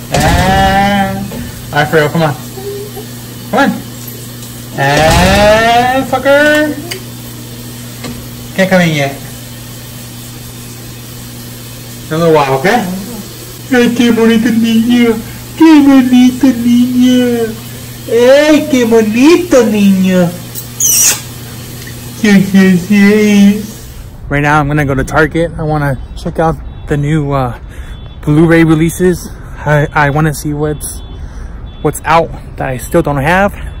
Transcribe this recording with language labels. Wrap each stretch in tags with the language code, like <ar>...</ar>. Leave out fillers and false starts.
<en>And all right, for real, come on. Come on. And fucker, can't come in yet. In a little while, okay?</en> <es>Hey, qué bonita niña, qué bonita niña, hey, qué bonita niña.</es> <en>Yes, yes, yes. Right now, I'm gonna go to Target. I wanna check out the new Blu-ray releases. I wanna see what's out that I still don't have.</en>